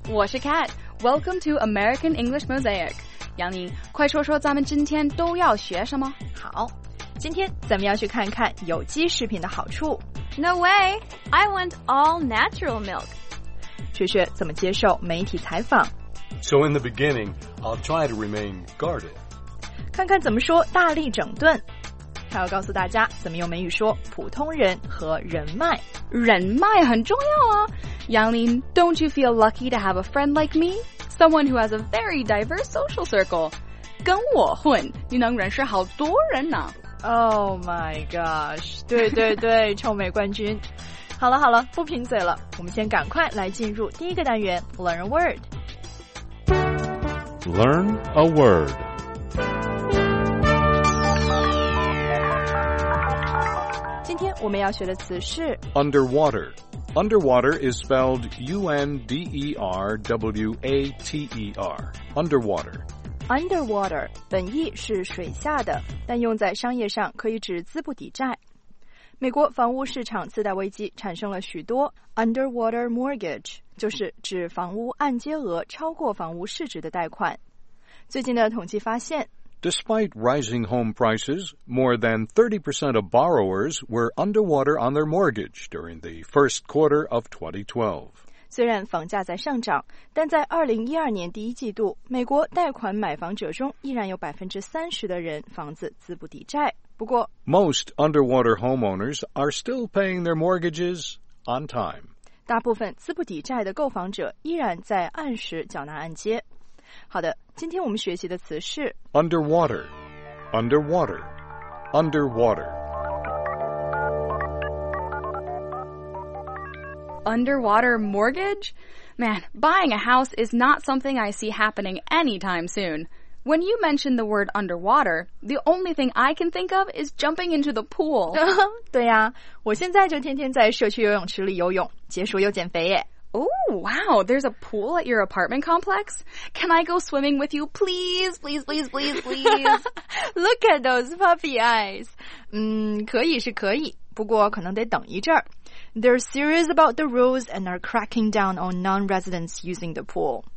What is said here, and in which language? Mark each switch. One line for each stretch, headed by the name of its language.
Chinese: 我是
English: Cat。Welcome to American English Mosaic。
Chinese: 杨林，快说说咱们今天都要学什么？好，今天咱们要去看看有机食品的好处。
English: No way! I want all natural milk.
Chinese: 雪雪怎么接受媒体采访？
English: So in the beginning, I'll try to remain guarded.
Chinese: 看看怎么说大力整顿。他要告诉大家怎么用美语说普通人和人脉。人脉很重要啊。
English: 杨林， don't you feel lucky to have a friend like me? Someone who has a very diverse social circle.
Chinese: 跟我混，你能认识好多人呢。
English: Oh my gosh,
Chinese: 对对对，臭美冠军。好了好了，不贫嘴了，我们先赶快来进入第一个单元
English: Learn a Word。 Learn a Word。
Chinese: 今天我们要学的词是
English: Underwater。 Underwater is spelled U-N-D-E-R-W-A-T-E-R。 Underwater。
Chinese: Underwater 本意是水下的，但用在商业上可以指资不抵债。美国房屋市场次贷危机产生了许多 underwater mortgage， 就是指房屋按揭额超过房屋市值的贷款。最近的统计发现，
English: Despite rising home prices, more than 30% of borrowers were underwater on their mortgage during the first quarter of 2012.
Chinese: 虽然房价在上涨，但在2012年第一季度，美国贷款买房者中依然有 30% 的人房子资不抵债。不过
English: Most underwater homeowners are still paying their mortgages on time.
Chinese: 大部分资不抵债的购房者依然在按时缴纳按揭。好的，今天我们学习的词是
English: Underwater, underwater, underwater. Underwater mortgage? Man, buying a house is not something I see happening anytime soon. When you mention the word underwater, the only thing I can think of is jumping into the pool.
Chinese: 对呀、啊，我现在就天天在社区游泳池里游泳，解暑又减肥耶。
English: Oh, wow, there's a pool at your apartment complex? Can I go swimming with you, please, please, please, please, please? Look at those puppy eyes.
Chinese: 可以是可以，不过可能得等一阵儿。
English: They're serious about the rules and are cracking down on non-residents using the pool.